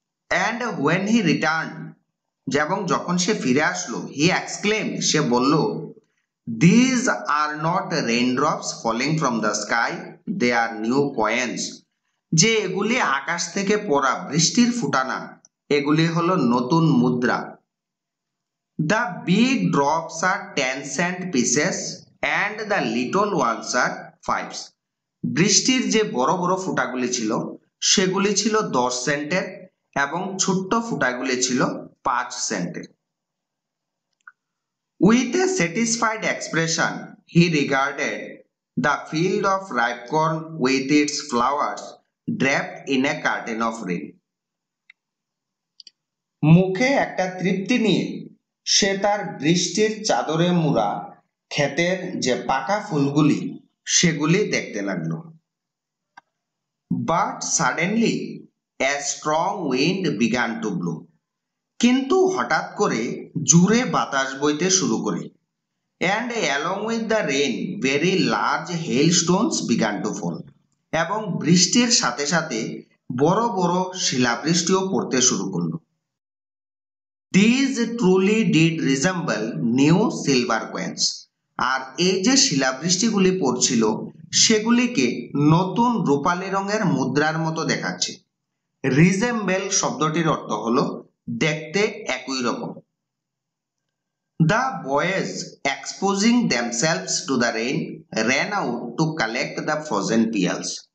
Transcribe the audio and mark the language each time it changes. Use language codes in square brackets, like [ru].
[en] And when he returned, [bn] যেমন যখন সে ফিরে আসলো, [en] he exclaimed, [bn] সে বলল, [en] these are not raindrops falling from the sky, they are new coins, [bn] যে এগুলি আকাশ থেকে পড়া বৃষ্টির ফুটা না, এগুলি হলো নতুন মুদ্রা। [en] The big drops are 10 cent pieces and the little ones are fives. [bn] বৃষ্টির যে বড় বড় ফুটাগুলি ছিল সেগুলি ছিল 10 সেন্টের এবং ছোট্ট ফুটাগুলি ছিল 5 সেন্টের। [en] With a satisfied expression he regarded the field of ripe corn with its flowers draped in a curtain of rain. [bn] মুখে একটা তৃপ্তি নিয়ে সে তার বৃষ্টির চাদরে মুড়া ক্ষেতের যে পাকা ফুলগুলি সেগুলি দেখতে লাগলো। [en] But suddenly A strong wind began to blow. [bn] কিন্তু হঠাৎ করে জুড়ে বাতাস বইতে শুরু করে। [en] And along with the rain, very large hailstones began to fall. [bn] এবং বৃষ্টির সাথে সাথে বড় বড় শিলাবৃষ্টিও পড়তে শুরু করলো। [en] These truly did resemble new silver coins. [bn] আর এই যে শিলাবৃষ্টিগুলি পড়ছিল সেগুলিকে নতুন রূপালী রঙের মুদ্রার মতো দেখাচ্ছে। রিজেম্বেল শব্দটির অর্থ হল দেখতে একই রকম। [en] The boys exposing themselves to the rain ran out to collect the frozen pears.